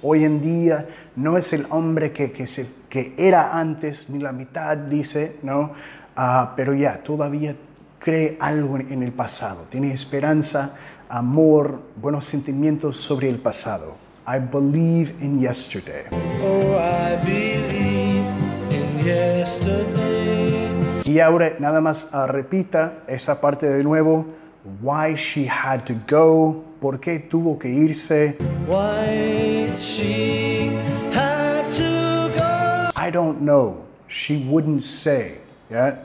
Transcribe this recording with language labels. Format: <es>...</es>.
<es>Hoy en día no es el hombre que era antes, ni la mitad, dice, ¿no? Pero ya, todavía cree algo en el pasado, tiene esperanza. Amor, buenos sentimientos sobre el pasado.</es> <en>I believe in yesterday. Oh, I believe in yesterday.</en> <es>Y ahora nada más repita esa parte de nuevo.</es> <en>Why she had to go.</en> <es>¿Por qué tuvo que irse?</es> <en>Why she had to go. I don't know. She wouldn't say. ¿Ya?</en>